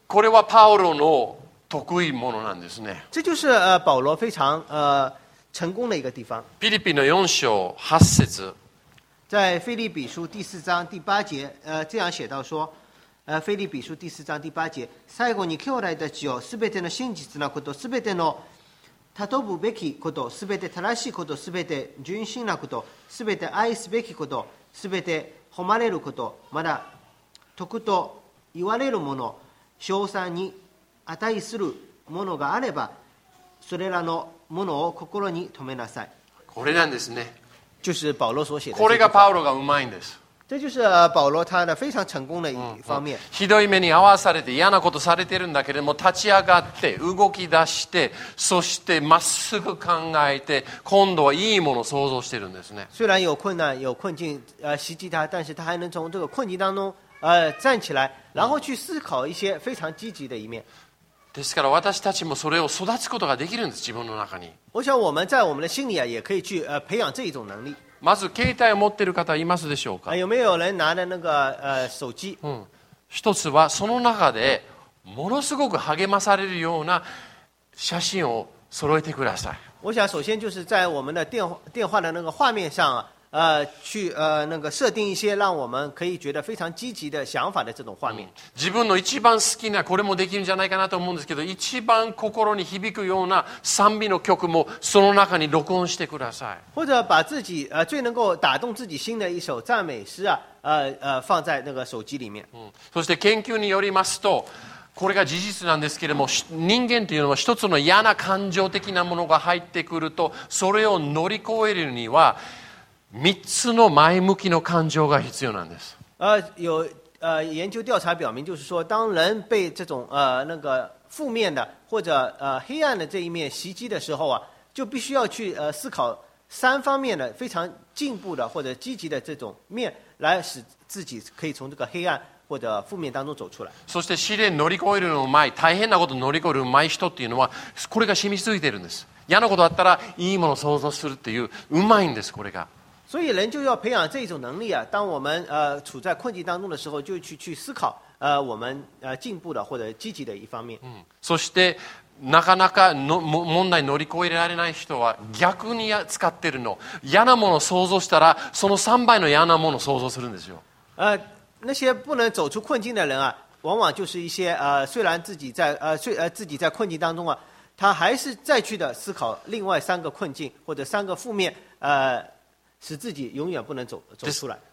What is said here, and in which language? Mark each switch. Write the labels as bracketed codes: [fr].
[ja] これはパウロの得意ものなんですね。 [zh] 这就是保罗非常成功的一个地方。 [ja] フィリピンの4章8節。 [zh] 在腓立比书第四章第八节这样写到说。腓立比书第四章第八节， [ja] 最后に兄弟たちよ、すべての真実なこと、すべてのたとぶべきこと、すべて正しいこと、すべて純真なこと、すべて愛すべきこと、すべて誉れること、まだ徳と言われるもの、称賛に値するものがあれば、それらのものを心に留めなさい。これなんですね。 [zh] 就是保罗所写的。 [ja] これがパウロがうまいんです。 [zh] 这就是保罗他的非常成功的一方面。 [ja] ひどい目に遭わされて嫌なことされてるんだけれども、立ち上がって動き出して、そしてまっすぐ考えて、今度はいいものを想像してるんですね。 [zh] 虽然有困难有困境袭击他，但是他还能从这个困境当中站起来，然后去思考一些非常积极的一面。 [ja] ですから私たちもそれを育つことができるんです、自分の中に。 [zh] 我想我们在我们的心里也可以去培养这一种能力。 [ja] まず携帯を持っている方いますでしょうか。 [zh] 有没有人拿着那个手机？ [ja] 一つはその中でものすごく励まされるような写真を揃えてください。 [zh] 我想首先就是在我们的电话的那个画面上，去那个设定一些让我们可以觉得非常积极的想法的这种画面。 [ja] 自分の一番好きな、これもできるんじゃないかなと思うんですけど、一番心に響くような賛美の曲もその中に録音してください。 [zh] 或者把自己最能够打动自己心的一首赞美诗啊，放在那个手机里面。 [ja] そして研究によりますと、これが事実なんですけれども、人間というのは一つの嫌な感情的なものが入ってくると、それを乗り越えるには三つの前向きの感情が必要なんです。 [zh] 有研究调查表明，就是说，当人被这种那个负面的或者黑暗的这一面袭击的时候啊，就必须要去思考三方面的非常进步的或者积极的这种面，来使自己可以从这个黑暗或者负面当中走出来。 [ja] そして試練乗り越えるのうまい、大変なこと乗り越えるうまい人っていうのは、これが染み付いてるんです。嫌なことあったらいいものを想像するっていう、うまいんですこれが。 [zh] 所以人就要培养这种能力啊，当我们处在困境当中的时候，就去思考我们进步的或者积极的一方面。 [ja] そしてなかなかの問題乗り越えられない人は逆に使ってるの。嫌なものを想像したら、その3倍の嫌なものを想像するんですよ。 [zh] 那些不能走出困境的人啊，往往就是一些虽然自己在困境当中啊，他还是再去的思考另外三个困境或者三个负面使自己永远不能走出来。